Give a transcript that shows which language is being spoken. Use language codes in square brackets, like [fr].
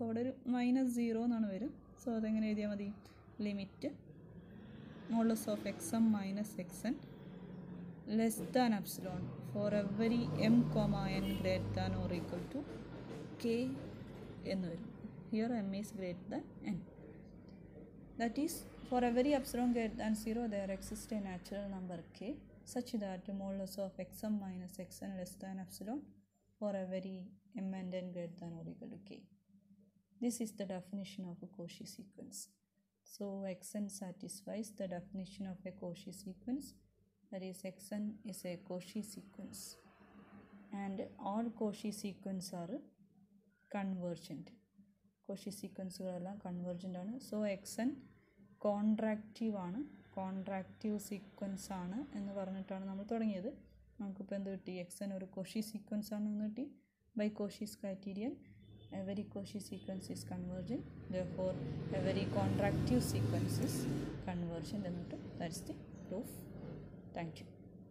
[ml] അപ്പോൾ അവിടെ ഒരു മൈനസ് സീറോ എന്നാണ് വരും. സോ അതെങ്ങനെ എഴുതിയാൽ മതി? [en] limit modulus of x m minus x n less than epsilon for every m comma n greater than or equal to k [ml] എന്ന് വരും. [en] Here m is greater than n. That is, for every epsilon greater than 0, there exists a natural number k, such that modulus of xm minus xn less than epsilon, for every m and n greater than or equal to k. This is the definition of a Cauchy sequence. So, xn satisfies the definition of a Cauchy sequence. That is, xn is a Cauchy sequence. And all Cauchy sequences are convergent. [ml] Cauchy സീക്വൻസുകളെല്ലാം convergent ആണ്. So X N contractive ആണ്, contractive sequence ആണ് എന്ന് പറഞ്ഞിട്ടാണ് നമ്മൾ തുടങ്ങിയത്. നമുക്കിപ്പോൾ എന്ത് കിട്ടി? എക്സ് എൻ ഒരു കോഷി സീക്വൻസ് ആണ് എന്ന് കിട്ടി. [en] By Cauchy's criterion every Cauchy sequence is convergent, therefore every contractive sequence is convergent എന്നിട്ട് that's the proof. Thank you.